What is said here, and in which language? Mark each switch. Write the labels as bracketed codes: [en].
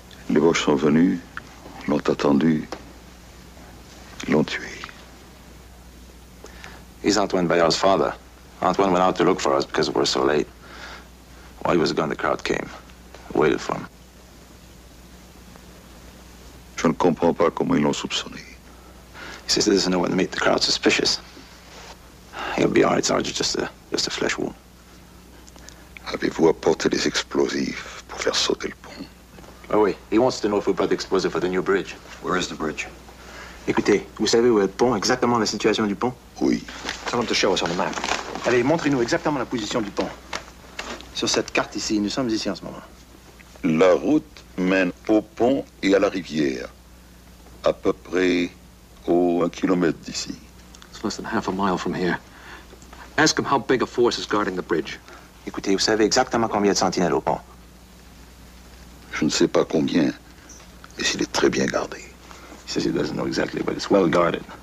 [fr] Les Boches sont venus, l'ont attendu, l'ont tué. [en] He's Antoine Bayard's father. Antoine went out to look for us because we were so late. While he was gone, the crowd came. I waited for him. [fr] Je ne comprends pas comment ils l'ont soupçonné. [en] He says there's no one to make the crowd suspicious. He'll be all right, Sergeant, just a flesh wound. [fr] Avez-vous apporté des explosifs pour faire sauter le pont? Oh, oui. [en] He wants to know if we brought the explosive for the new bridge. Where is the bridge? [fr] Écoutez, vous savez où est le pont, exactement la situation du pont? Oui. [en] Tell him to show us on the map. [fr] Allez, montrez-nous exactement la position du pont. Sur cette carte ici, nous sommes ici en ce moment. La route mène au pont et à la rivière. À peu près... Oh, un kilomètre d'ici. [en] It's less than half a mile from here. Ask him how big a force is guarding the bridge. [fr] Écoutez, vous savez exactement combien de sentinelles au pont? Je ne sais pas combien, mais s'il est très bien gardé. [en] He says he doesn't know exactly, but it's well guarded.